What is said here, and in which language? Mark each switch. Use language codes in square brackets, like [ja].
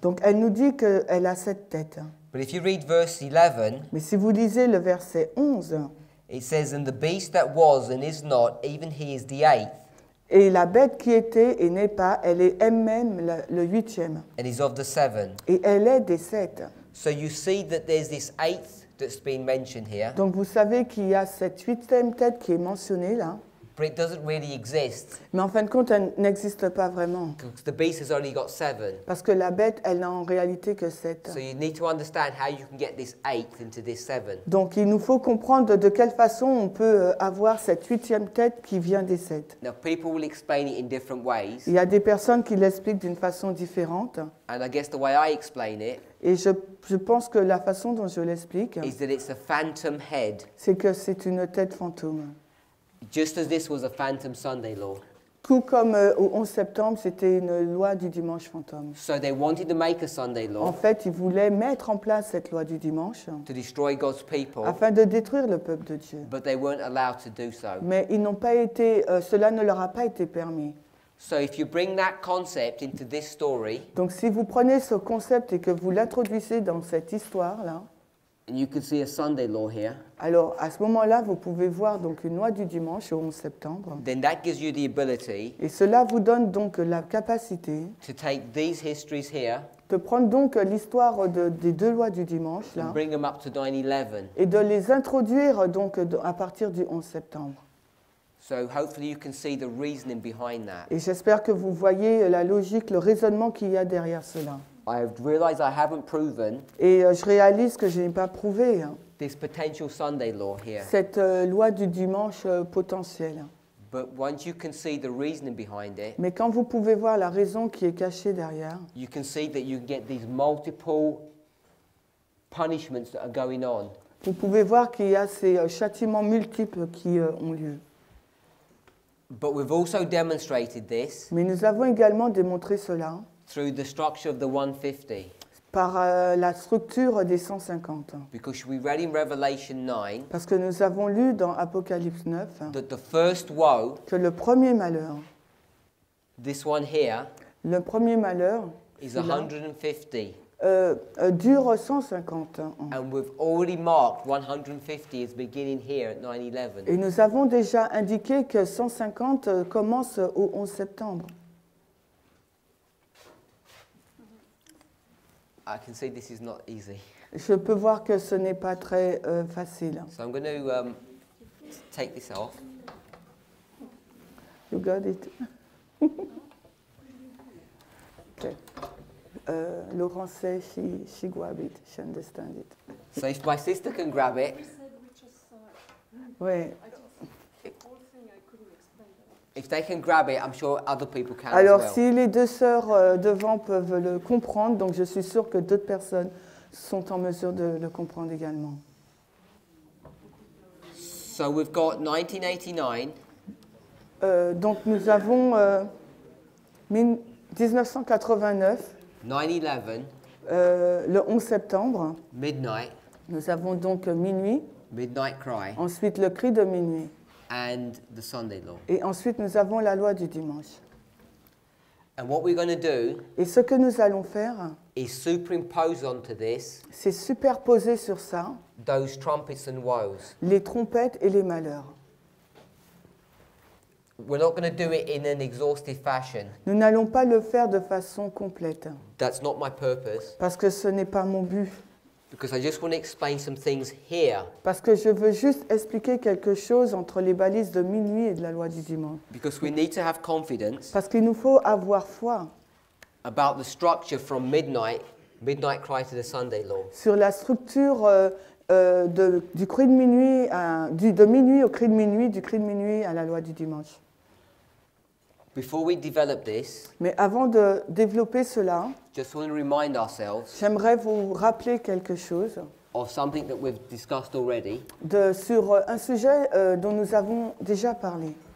[fr] Donc elle nous dit qu'elle a sept têtes. [en] But if you read verse 11, [fr] mais si vous lisez le verset 11, [en] it says, and the beast that was and is not, even he is the eighth. [fr] Et la bête qui était et n'est pas, elle est elle-même le huitième. [en] And is of the seven. [fr] Et elle est des sept. [en] So you see that there's this eighth that's been mentioned here. [fr] Donc vous savez qu'il y a cette huitième tête qui est mentionnée là. [en] But it doesn't really exist. [fr] Mais en fin de compte, elle n'existe pas vraiment. [en] Because the beast has only got seven. [fr] Parce que la bête, elle n'a en réalité que sept. [en] So you need to understand how you can get this eighth into this seven. [fr] Donc il nous faut comprendre de quelle façon on peut avoir cette huitième tête qui vient des sept. [en] Now people will explain it in different ways. [fr] Il y a des personnes qui l'expliquent d'une façon différente. [en] And I guess the way I explain it. [fr] Et je pense que la façon dont je l'explique, [en] is that it's a phantom head. [fr] C'est que c'est une tête fantôme. [en] Just as this was a phantom Sunday law. [fr] Tout comme au 11 septembre, c'était une loi du dimanche fantôme. [en] So they wanted to make a Sunday law. [fr] En fait, ils voulaient mettre en place cette loi du dimanche. [en] To destroy God's people. [fr] Afin de détruire le peuple de Dieu. [en] But they weren't allowed to do so. [fr] Mais ils n'ont pas été, cela ne leur a pas été permis. [en] So if you bring that concept into this story, [fr] donc si vous prenez ce concept et que vous l'introduisez dans cette histoire là, [en] and you can see a Sunday law here, [fr] alors à ce moment là vous pouvez voir donc une loi du dimanche au 11 septembre. [en] Then that gives you the ability, [fr] et cela vous donne donc la capacité, [en] to take these histories here, [fr] de prendre donc l'histoire des deux lois du dimanche là, [en] and bring them up to 9/11, [fr] et de les introduire donc à partir du 11 septembre. [en] So hopefully you can see the reasoning behind that. [fr] Et j'espère que vous voyez la logique, le raisonnement qu'il y a derrière cela. [en] I've realized I haven't proven. [fr] Et je réalise que je n'ai pas prouvé. [en] This potential Sunday law here. [fr] Cette loi du dimanche potentiel. [en] But once you can see the reasoning behind it. [fr] Mais quand vous pouvez voir la raison qui est cachée derrière. [en] You can see that you get these multiple punishments that are going on. [fr] Vous pouvez voir qu'il y a ces châtiments multiples qui ont lieu. [en] But we've also demonstrated this. [fr] Mais nous avons également démontré cela. [en] Through the structure of the 150. [fr] Par la structure des 150. [en] Because we read in Revelation 9. [fr] Parce que nous avons lu dans Apocalypse 9. [en] That the first woe. [fr] Que le premier malheur. [en] This one here. [fr] Le premier malheur. [en] Is 150. [fr] Dure 150 ans. [en] And we've already marked 150 as beginning here at 9/11. [fr] Et nous avons déjà indiqué que 150 commence au 11 septembre. [en] I can see this is not easy. [fr] Je peux voir que ce n'est pas très facile. [en] So I'm going to take this off. You got it. Okay. Laurence says she grabbed it. She understands it. So if my sister can grab it. Wait. If they can grab it, I'm sure other people can. [fr] Alors, [en] as well. [fr] Si les deux sœurs devant peuvent le comprendre, donc je suis sûre que d'autres personnes sont en mesure de le comprendre également. [en] So we've got 1989. [fr] Donc nous avons 1989. [en] 9/11. [fr] Le 11 septembre. [en] Midnight. [fr] Nous avons donc minuit. [en] Midnight cry. [fr] Ensuite le cri de minuit. [en] And the Sunday law. [fr] Et ensuite, nous avons la loi du dimanche. [en] And what we're going to do. [fr] Et ce que nous allons faire. [en] Is superimpose onto this. [fr] C'est superposer sur ça. [en] Those trumpets and woes. [fr] Les trompettes et les malheurs. [en] We're not going to do it in an exhaustive fashion. [fr] Nous n'allons pas le faire de façon complète. [en] That's not my purpose. [fr] Parce que ce n'est pas mon but. [en] Because I just want to explain some things here. [fr] Parce que je veux juste expliquer quelque chose entre les balises de minuit et de la loi du dimanche. [en] Because we need to have confidence. [fr] Parce qu'il nous faut avoir foi. [en] About the structure from midnight cry to the Sunday law. [fr] Sur la structure du cri de minuit à de minuit au cri de minuit, du cri de minuit à la loi du dimanche. [en] Before we develop this, [fr] mais avant de développer cela, [en] just want to remind ourselves, [fr] j'aimerais vous rappeler quelque chose [en] of something that we've discussed already, [fr] sur un sujet dont nous avons déjà parlé.